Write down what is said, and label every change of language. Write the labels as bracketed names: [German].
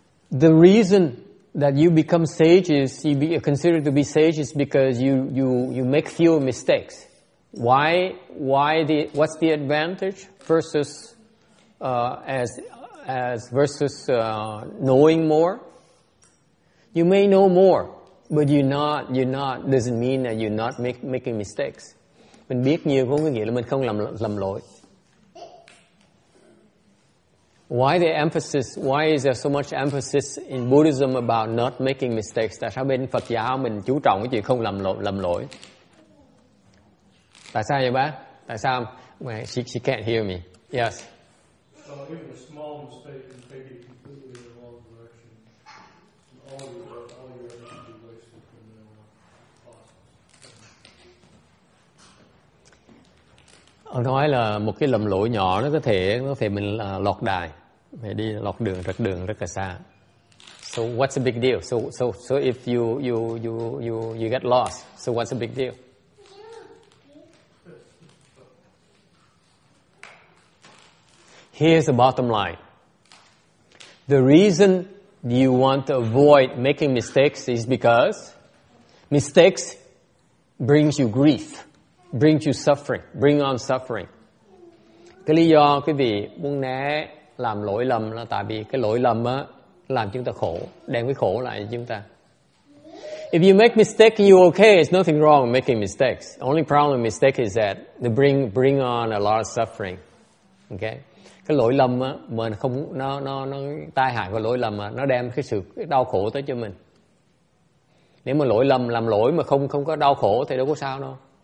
[English] The reason that you become sages, you be considered to be sages because you make fewer mistakes. What's the advantage versus knowing more? You may know more, but you're not doesn't mean that you're not making mistakes. [Vietnamese] Mình biết nhiều không có nghĩa là mình không làm lỗi. [English] Why is there so much emphasis in Buddhism about not making mistakes? [Vietnamese] Tại sao bên Phật giáo mình chú trọng cái chuyện không làm lỗi? Tại sao vậy bác? Tại sao? [English] Well, she can't hear me. Yes. So even a small mistake can take you completely in the wrong direction. All your [Vietnamese] Ông nói là một cái lầm lỗi nhỏ nó có thể mình lọt đài, mình đi lọt đường, rật đường rất là xa. [English] So what's the big deal? So if you get lost, so what's the big deal? Here's the bottom line. The reason you want to avoid making mistakes is because mistakes brings you grief, brings you suffering, bring on suffering. [Vietnamese] Cái lý do quý vị muốn né làm lỗi lầm là tại vì cái lỗi lầm á làm chúng ta khổ, đem cái khổ lại chúng ta. [English] If you make mistake, you okay. There's nothing wrong with making mistakes. Only problem with mistake is that they bring on a lot of suffering. Okay. [Vietnamese] Cái lỗi lầm á, mình không nó tai hại của lỗi lầm á, nó đem cái sự cái đau khổ tới cho mình. Nếu mà lỗi lầm làm lỗi mà không có đau khổ thì đâu có sao đâu.